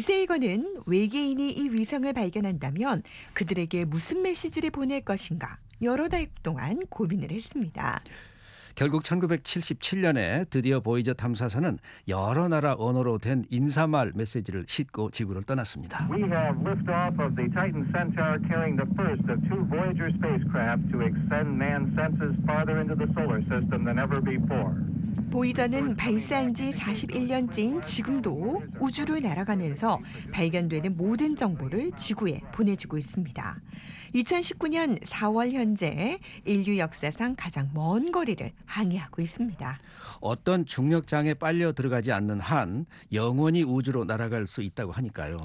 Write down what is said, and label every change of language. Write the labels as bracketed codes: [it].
[ko] 세이건은 외계인이 이 위성을 발견한다면 그들에게 무슨 메시지를 보낼 것인가 여러 달 동안 고민을 했습니다. 결국 1977년에 드디어 보이저 탐사선은 여러 나라 언어로 된 인사말 메시지를 싣고 지구를 떠났습니다. [en] We have lift off of the Titan Centaur carrying the first of two Voyager spacecraft to extend man's senses farther into the solar system than ever before. [ko] 보이저는 발사한 지 41년째인 지금도 우주를 날아가면서 발견되는 모든 정보를 지구에 보내주고 있습니다. 2019년 4월 현재 인류 역사상 가장 먼 거리를 항해하고 있습니다. 어떤 중력장에 빨려 들어가지 않는 한 영원히 우주로 날아갈 수 있다고 하니까요.